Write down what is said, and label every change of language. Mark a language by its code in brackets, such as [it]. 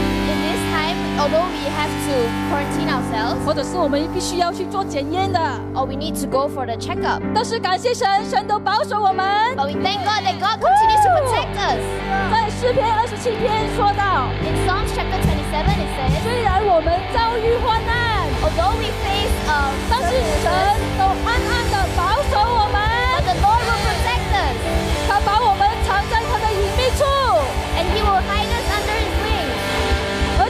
[en] In this time, although we have to quarantine ourselves, [zh] 或者是我们必须要去做检验的 [en] or we need to go for the checkup. [zh] 但是感谢神，神都保守我们。 [en] But we thank God that God continues to protect us. [zh] 在诗篇二十七篇说到 [en] ，In Psalms chapter 27 it says, [zh] 虽然我们遭遇患难 [en] ，although we face a, [zh] 但是神都暗暗的保守我们。 [en] But the Lord will protect us. [zh] 他把我们藏在他的隐秘处 [en] ，and He will hide us under His wings.